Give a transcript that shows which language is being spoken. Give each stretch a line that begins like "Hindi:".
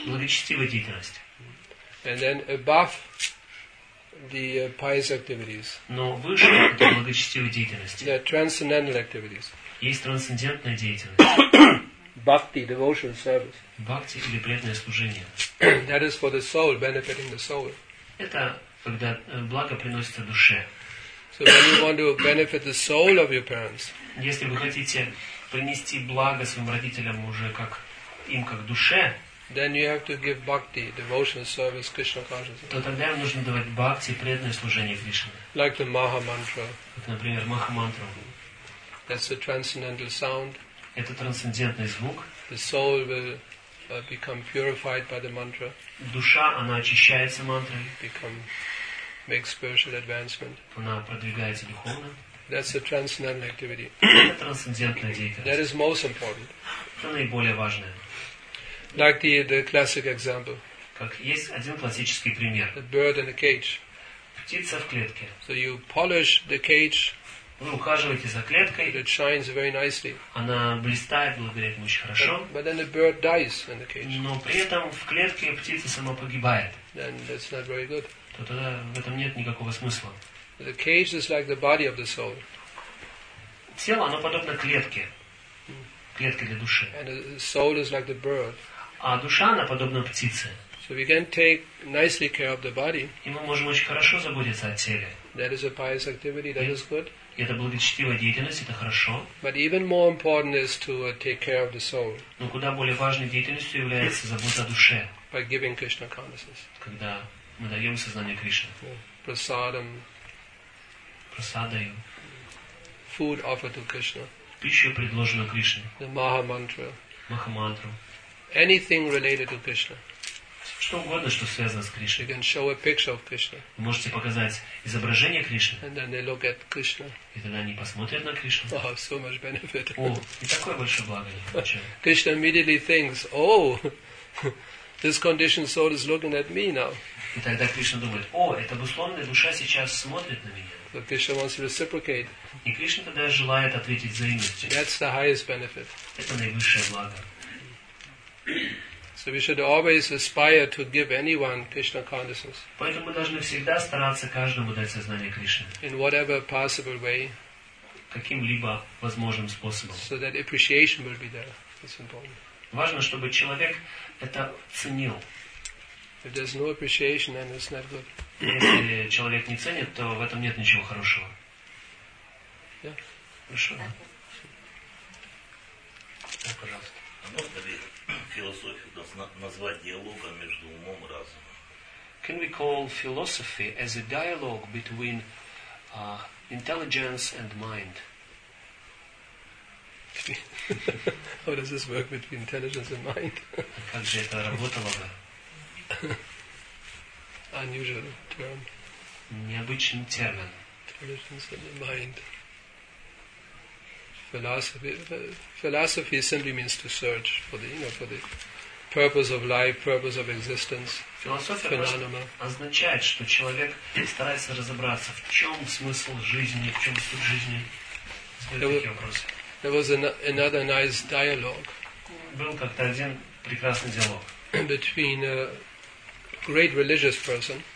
Russian: Благочестивая деятельность.
English: And then above the pious activities.
Russian: Но выше это благочестивой деятельности.
English: There are transcendental activities.
Russian: Есть трансцендентная деятельность.
English: Bhakti, devotional service.
Russian: Бхакти или преданное служение.
English: That is for the soul, benefiting the soul.
Russian: Это когда благо приносится душе.
English: So when you want to benefit the soul of your parents.
Russian: Если вы хотите принести благо своим родителям уже как им как душе.
English: Then you have to give bhakti, devotional service, Krishna consciousness.
Russian: То тогда вам нужно давать бхакти, преданное служение Кришне.
English: Like the Maha Mantra.
Russian: Как, например, Маха Мантра.
English: That's a transcendental sound.
Russian: Это трансцендентный звук.
English: The soul will become purified by the mantra.
Russian: Душа, она очищается мантрой.
English: Become, make spiritual advancement.
Russian: Она продвигается духовно.
English: That's a transcendental activity.
Russian: Это трансцендентная деятельность.
English: That is most important.
Russian: Это наиболее важное.
English: Like the classic example.
Russian: Как есть один классический пример.
English: The bird in a cage.
Russian: Птица в клетке.
English: So you polish the cage.
Russian: Вы ухаживаете за клеткой.
English: It shines very nicely.
Russian: Она блистает, благодарит очень хорошо.
English: But then the bird dies in the cage.
Russian: Но при этом в клетке птица сама погибает.
English: Then that's not very good.
Russian: То тогда в этом нет никакого смысла.
English: The cage is like the body of the soul.
Russian: Тело, оно подобно клетке. Клетке для души.
English: And the soul is like the bird.
Russian: А душа, она подобна птице.
English: So we can take nicely care of the body.
Russian: И мы можем очень хорошо заботиться о теле.
English: That is a pious activity, that is good.
Russian: И это благочестивая деятельность, это хорошо.
English: But even more important is to take care of the soul.
Russian: Но куда более важной деятельностью является забота о душе.
English: By giving Krishna consciousness.
Russian: Когда мы даем сознание Кришне.
English: Prasadam.
Russian: Prasadayam.
English: Food offered to Krishna.
Russian: Пища предложена Кришне.
English: The Maha Mantra.
Russian: Maha Mantra.
English: Anything related to Krishna.
Russian: Что угодно, что связано с Кришной.
English: You can show a picture of Krishna.
Russian: Вы можете показать изображение Кришны.
English: And then they look at Krishna.
Russian: И тогда они посмотрят на Кришну.
English: Oh, so much benefit.
Russian: О, и такое большое благо.
English: Krishna immediately thinks, oh, this conditioned soul is looking at me now.
Russian: И тогда Кришна думает, о, эта обусловленная душа сейчас смотрит на меня.
English: So Krishna wants to reciprocate.
Russian: И Кришна тогда желает ответить взаимностью.
English: That's the highest benefit.
Russian: Это наивысшее благо.
English: So we should always aspire to give anyone Krishna consciousness.
Russian: Поэтому мы должны всегда стараться каждому дать сознание Кришны.
English: In whatever possible way.
Russian: Каким-либо возможным способом.
English: So that appreciation will be there. It's important.
Russian: Важно, чтобы человек это ценил.
English: If there's no appreciation, then it's not good.
Russian: Если человек не ценит, то в этом нет ничего хорошего.
English: Yeah.
Russian: Хорошо. Так, пожалуйста. Можно ли философию назвать диалогом между умом и разумом?
English: Can we call philosophy as a dialogue between intelligence and mind? How does this work between intelligence and mind?
Russian: Как же это работало бы?
English: Unusual term.
Russian: Необычный термин.
English: Intelligence and the mind. Philosophy simply means to search for the, you know, for the purpose of life, purpose of existence.
Russian: Философия означает, что человек старается разобраться, в чем смысл жизни, в чем суть жизни.
English: There was another nice dialogue.
Russian: Был как-то один прекрасный диалог.
English: Between a great religious person.